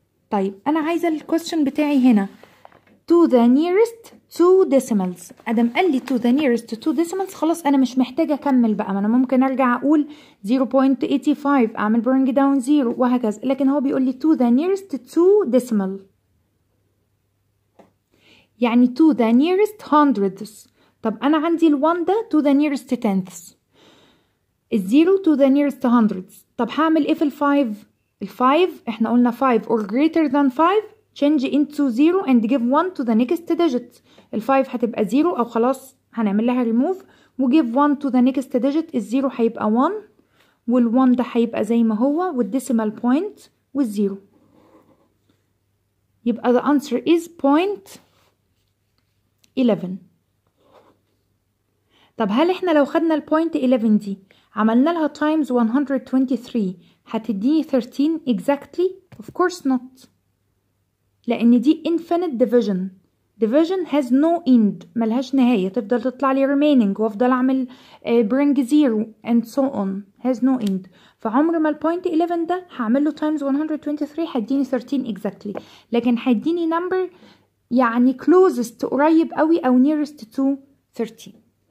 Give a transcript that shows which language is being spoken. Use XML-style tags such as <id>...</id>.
<ar>طيب انا عايزه الكويستشن بتاعي هنا</ar> <en>to the nearest two decimals,</en> <ar>ادم قال لي تو ذا نيرست تو ديسيمالز، خلاص انا مش محتاجه اكمل بقى، ما انا ممكن ارجع اقول 0.85 اعمل برينج داون زيرو وهكذا، لكن هو بيقول لي تو ذا نيرست تو ديسيمال يعني تو ذا نيرست هندردز. طب انا عندي ال1 ده تو ذا نيرست تنثس، الزيرو</ar> <en>to the nearest hundreds.</en> <ar>طب هعمل ايه في الفايف؟ الفايف احنا قلنا</ar> <en>5 or greater than 5 change into 0 and give 1 to the next digit.</en> <ar>الفايف هتبقى 0 او خلاص هنعمل لها remove و</ar> <en>give 1 to the next digit.</en> <ar>الزيرو هيبقى 1 وال1 ده هيبقى زي ما هو والديسيمال بوينت والزيرو، يبقى</ar> <en>the answer is 0.11.</en> <ar>طب هل احنا لو خدنا ال 0.11 دي عملنا لها times 123 هتديني 13 exactly؟</ar> <en>Of course not،</en> <ar>لأن دي</ar> <en>infinite division. Division has no end،</en> <ar>ملهاش نهاية، تفضل تطلع لي</ar> <en>remaining وافضل أعمل bring zero and so on، has no end.</en> <ar>فعمر ما ال 0.11 ده هعمله times 123 هديني 13 exactly، لكن هديني number يعني closest قريب قوي أو</ar> <en>nearest to 13.</en>